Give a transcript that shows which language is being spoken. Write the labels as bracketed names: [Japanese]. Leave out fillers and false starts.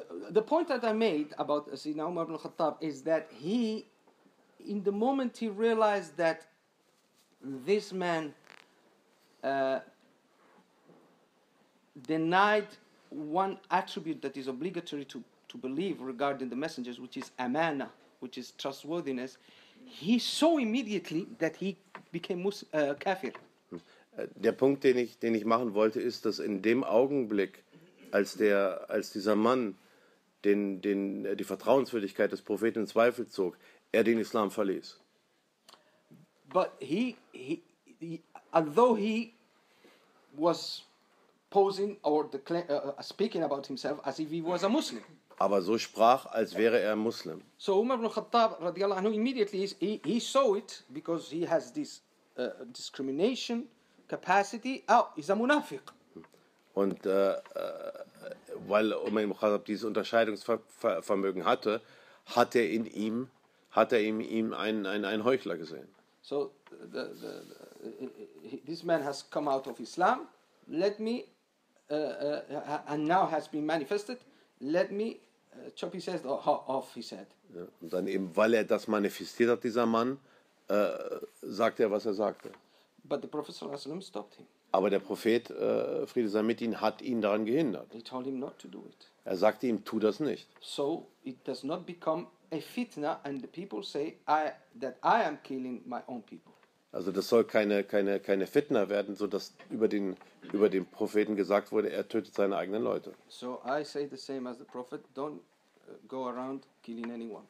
[English] the point that I made about Sayyidina Umar ibn al-Khattab is that he, in the moment he realized that this man denied one attribute that is obligatory to believe regarding the messengers, which is amana, which is trustworthiness, he saw immediately that he became kafir. [German] Der Punkt, den ich machen wollte, ist, dass in dem Augenblick, als dieser Mann die Vertrauenswürdigkeit des Propheten in Zweifel zog, er den Islam verließ. [English] But he although he was posing or speaking about himself as if he was a Muslim. [German] Aber so sprach, als wäre er Muslim. [English] So Umar ibn Khattab radiallahu anhu immediately he saw it because he has this discrimination capacity. Oh, he's a munafiq. [German] Und weil Umar ibn Khattab dieses Unterscheidungsvermögen hatte, hat er in ihm einen Heuchler gesehen. [English] So this man has come out of Islam. Let me and now has been manifested. Let me chop his head off, he said. [German] Ja, und dann eben, weil er das manifestiert hat, dieser Mann, sagt er, was er sagte. [English] But the Prophet sallallahu alaihi wasallam stopped him. [German] Aber der Prophet, Friede sei mit ihm, hat ihn daran gehindert. [English] He told him not to do it. [German] Er sagte ihm, tu das nicht. [English] So it does not become a fitna and the people say that I am killing my own people. [German] Also das soll keine Fitna werden, so dass über den Propheten gesagt wurde, er tötet seine eigenen Leute. [English] So I say the same as the Prophet, don't go around killing anyone.